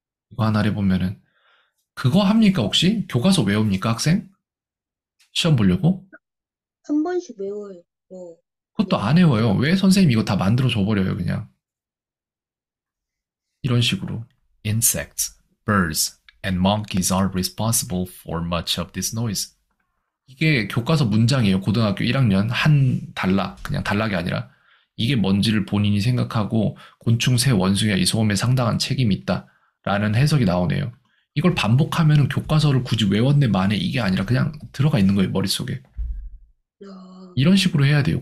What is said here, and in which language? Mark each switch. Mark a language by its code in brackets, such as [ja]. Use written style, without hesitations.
[ko] 이거 하나 해보면은, 그거 합니까, 혹시? 교과서 외웁니까, 학생? 시험 보려고? 한 번씩 외워요. 뭐, 그것도 안 외워요. 왜 선생님 이거 다 만들어 줘버려요, 그냥. 이런 식으로. [en] Insects, birds, and monkeys are responsible for much of this noise. [ko] 이게 교과서 문장이에요. 고등학교 1학년 한 단락. 그냥 단락이 아니라. 이게 뭔지를 본인이 생각하고, 곤충, 새, 원숭이와 이 소음에 상당한 책임이 있다. 라는 해석이 나오네요. 이걸 반복하면 교과서를 굳이 외웠네 만에 이게 아니라 그냥 들어가 있는 거예요, 머릿속에. 이런 식으로 해야 돼요.